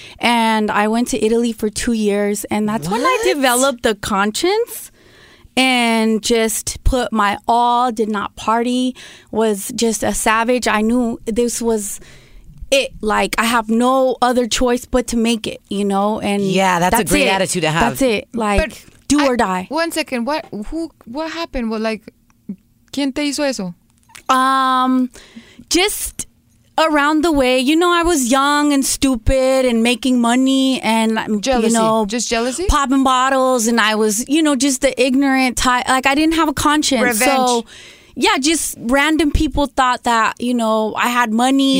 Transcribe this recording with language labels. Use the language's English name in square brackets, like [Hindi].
[English] And I went to Italy for 2 years. And that's when I developed the conscience. And just put my all, did not party, was just a savage. I knew this was it. Like, I have no other choice but to make it, you know? And yeah, that's a great attitude to have. That's it. Like, but do or die. One second. What happened? [Spanish] Well, like, ¿quién te hizo eso? [English] Just around the way, you know, I was young and stupid and making money and jealousy. You know, just jealousy, popping bottles, and I was, you know, just the ignorant type. Like, I didn't have a conscience. Revenge. So yeah, just random people thought that, you know, I had money.